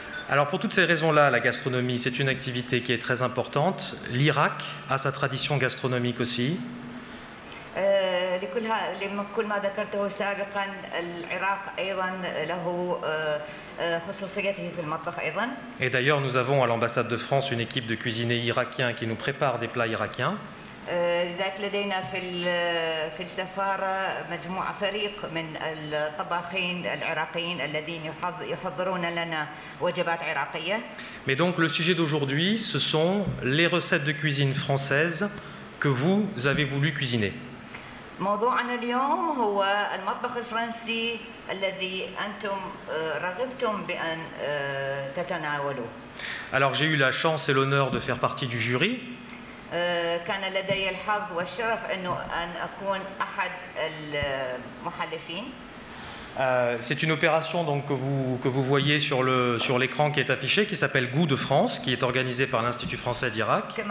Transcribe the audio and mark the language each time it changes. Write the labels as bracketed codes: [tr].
[fr] Alors pour toutes ces raisons-là, la gastronomie, c'est une activité qui est très importante. L'Irak a sa tradition gastronomique aussi. [ar] لكل ما ذكرته سابقا العراق أيضا له خصوصيته في المطبخ أيضا. [fr] Et d'ailleurs, nous avons à l'ambassade de France une équipe de cuisiniers irakiens qui nous prépare des plats irakiens. [ar] لذلك لدينا في السفارة مجموعة فريق من الطباخين العراقيين الذين يحضرون لنا وجبات عراقية. [fr] Mais donc le sujet d'aujourd'hui, ce sont les recettes de cuisine françaises que vous avez voulu cuisiner. [ar] موضوعنا اليوم هو المطبخ الفرنسي الذي أنتم رغبتم بأن تتناولوه. [fr] Alors j'ai eu la chance et l'honneur de faire partie du jury. [ar] كان لدي الحظ والشرف أن أكون أحد المحلفين. [fr] C'est une opération donc que vous voyez sur l'écran qui est affiché, qui s'appelle Goût de France, qui est organisée par l'Institut français d'Irak.